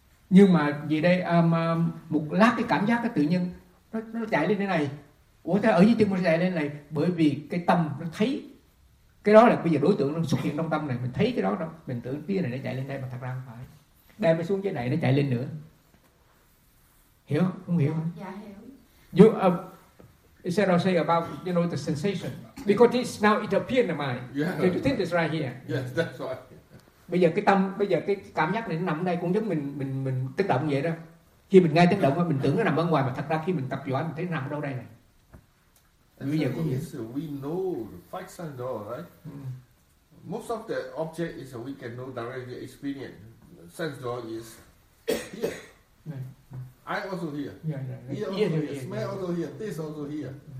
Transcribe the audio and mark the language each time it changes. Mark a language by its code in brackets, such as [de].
[vi] Nhưng mà gì đây, một lát cái cảm giác đó tự nhiên nó chạy lên thế này. Ủa ta ở dưới chân mình chạy lên này, bởi vì cái tâm nó thấy. Cái đó là bây giờ đối tượng nó xuất hiện trong tâm này, mình thấy cái đó đó, mình tưởng tia này nó chạy lên đây mà thật ra không phải. Đem nó xuống dưới này nó chạy lên nữa. Hiểu không? Không hiểu không? Dạ hiểu. [en] You said I'll say about, you know, the sensation. Because it's now it appears in the mind. Yeah. So you think it's right here? Yes, that's right. [vi] Bây giờ cái tâm, bây giờ cái cảm giác này nó nằm ở đây cũng giống mình tức động vậy đó. Khi mình nghe tức động mình tưởng nó nằm ở ngoài, mà thật ra khi mình tập giỏi mình thấy nó nằm ở đâu đây này. [en] We know five senses, right? Most of the object is we can know directly experience. Sense door is here. I also here. Yeah. Ear also here. Smell yeah. also here. This also here.